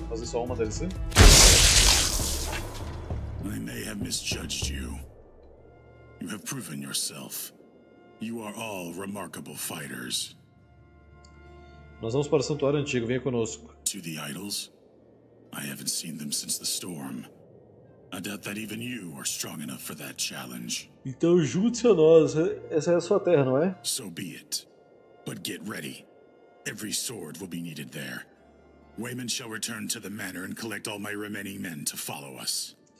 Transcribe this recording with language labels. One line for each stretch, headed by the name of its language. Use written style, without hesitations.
Portuguese: Fazer só uma DLC?
English: I may have misjudged you. You have proven yourself. You are all remarkable fighters.
Portuguese: Nós vamos para o santuário antigo, venha conosco.
English: To the idols? I haven't seen them since the storm. I doubt that even you are strong enough for that challenge.
Portuguese: Então junte-se a nós, essa é a sua terra, não é?
English: So be it. But get ready. Every sword will be needed there. Waymen shall return to the manor and collect all my remaining men to follow us.